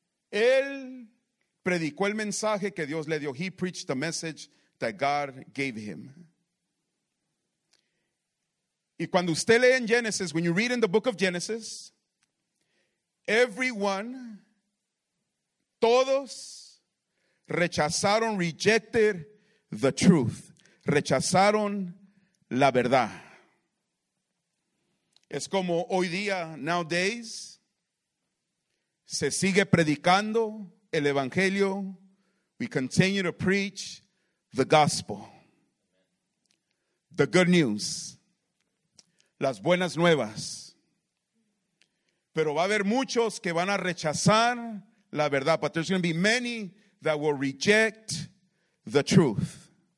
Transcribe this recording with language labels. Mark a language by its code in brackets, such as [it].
[es] Él predicó el mensaje que Dios le dio. [en] He preached the message that God gave him. [es] Y cuando usted lee en Genesis, [en] when you read in the book of Genesis, everyone, [es] todos, rechazaron, [en] rejected the truth. [es] Rechazaron la verdad. Es como hoy día, nowadays, se sigue predicando el evangelio. [en] We continue to preach the gospel. The good news. [es] Las buenas nuevas. Pero va a haber muchos que van a rechazar la verdad. [en] But there's going to be many that will reject the truth.